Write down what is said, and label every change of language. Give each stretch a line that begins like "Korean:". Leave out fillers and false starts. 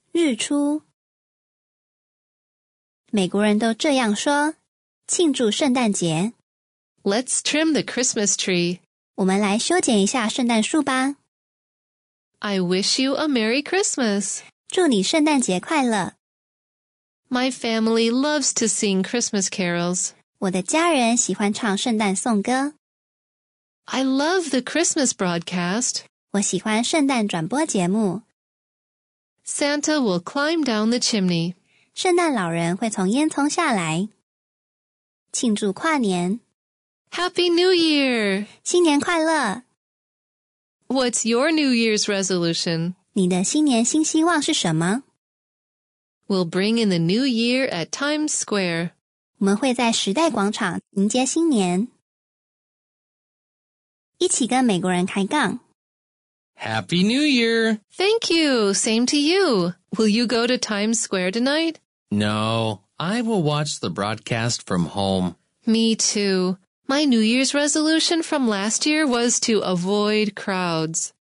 Chinese: 日出美国人都这样说庆祝圣诞节
English: Let's trim the Christmas tree.
Chinese: 我们来修剪一下圣诞树吧
English: I wish you a Merry Christmas.
Chinese: 祝你圣诞节快乐
English: My family loves to sing Christmas carols.
Chinese: 我的家人喜欢唱圣诞颂歌
English: I love the Christmas broadcast.
Chinese: 我喜欢圣诞转播节目
English: Santa will climb down the chimney.
Chinese: 圣诞老人会从烟囱下来庆祝跨年
English: Happy New Year!
Chinese: 新年快乐
English: What's your New Year's resolution?
Chinese: 你的新年新希望是什么
English: We'll bring in the New Year at Times Square
Chinese: 我们会在时代广场迎接新年一起跟美国人开杠
English: Happy New Year! Thank you! Same to you! Will you go to Times Square tonight? No, I will watch the broadcast from home. Me too. My New Year's resolution from last year was to avoid crowds.